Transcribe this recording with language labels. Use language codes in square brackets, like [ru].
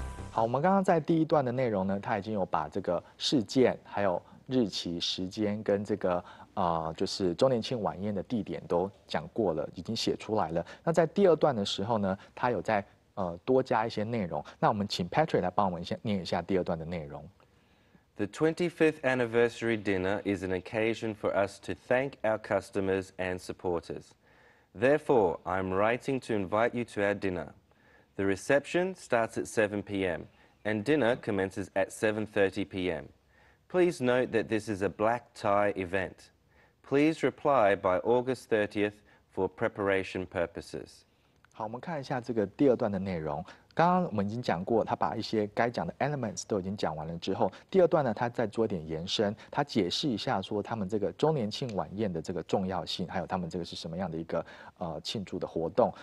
[zh] 好，我们刚刚在第一段的内容呢，他已经有把这个事件、还有日期、时间跟这个就是周年庆晚宴的地点都讲过了，已经写出来了。那在第二段的时候呢，他有在多加一些内容。那我们请 Patrick 来帮我们先念一下第二段的内容。 [en] The 25th anniversary dinner is an occasion for us to thank our customers and supporters. Therefore, I'm writing to invite you to our dinner. The reception starts at 7 p.m. and dinner commences at 7:30 p.m. Please note that this is a black tie event. Please reply by August 30th for preparation purposes. [zh] 好，我们看一下这个第二段的内容。刚刚我们已经讲过，他把一些该讲的 elements 都已经讲完了之后，第二段呢，他再做一点延伸，他解释一下说他们这个周年庆晚宴的这个重要性，还有他们这个是什么样的一个庆祝的活动。